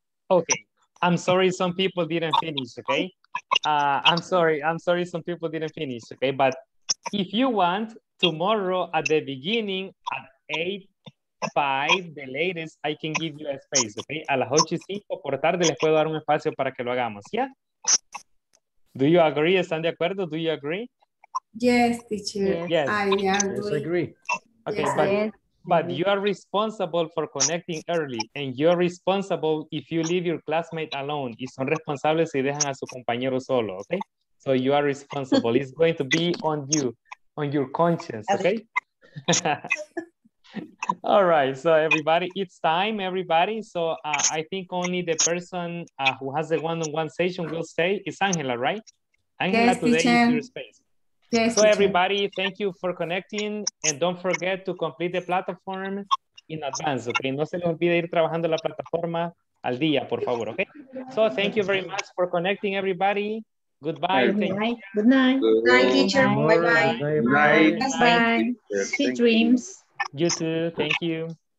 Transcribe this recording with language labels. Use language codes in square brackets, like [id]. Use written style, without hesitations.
[en] Okay, I'm sorry some people didn't finish, okay? But if you want, tomorrow at the beginning at 8 5, the latest, I can give you a space, okay? [es] A las 8:05 por tarde les puedo dar un espacio para que lo hagamos, ¿ya? [en] Do you agree? [es] ¿Están de acuerdo? [en] Do you agree? Yes, teacher. Yes. I agree. Okay, yes, but you are responsible for connecting early, and you are responsible if you leave your classmate alone. [es] Y son responsables si dejan a su compañero solo, okay? [en] So you are responsible. It's going to be on you, on your conscience, okay? All right, so everybody, it's time, everybody. So I think only the person who has the one-on-one session will stay is Angela, right? Angela, yes, today teacher. Is your space. Yes, so everybody, thank you for connecting, and don't forget to complete the platform in advance, okay? [es] No se les olvide ir trabajando la plataforma al día, por favor, okay? [en] So thank you very much for connecting, everybody. Goodbye. Good night. Good night. Good night, teacher. Bye-bye. Good night. Bye-bye. Sweet dreams. You too. Thank you.